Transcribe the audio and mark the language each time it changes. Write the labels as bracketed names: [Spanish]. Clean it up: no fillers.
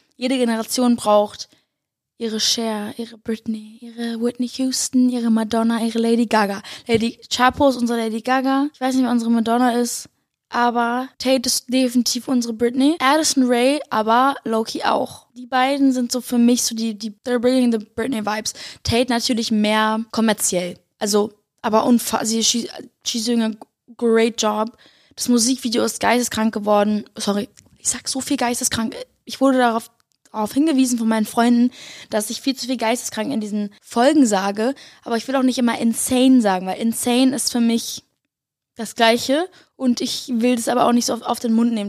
[German] Jede Generation braucht ihre Cher, ihre Britney, ihre Whitney Houston, ihre Madonna, ihre Lady Gaga. Lady Chappell ist unsere Lady Gaga. Ich weiß nicht, wer unsere Madonna ist, aber Tate ist definitiv unsere Britney. Addison Rae, aber Loki auch. Die beiden sind so für mich so die [English] they're bringing the Britney Vibes. [German] Tate natürlich mehr kommerziell. Also, aber [English] she's doing a great job. [German] Das Musikvideo ist geisteskrank geworden. Sorry, ich sag so viel geisteskrank. Ich wurde darauf hingewiesen von meinen Freunden, dass ich viel zu viel geisteskrank in diesen Folgen sage, aber ich will auch nicht immer insane sagen, weil insane ist für mich das Gleiche und ich will das aber auch nicht so auf den Mund nehmen.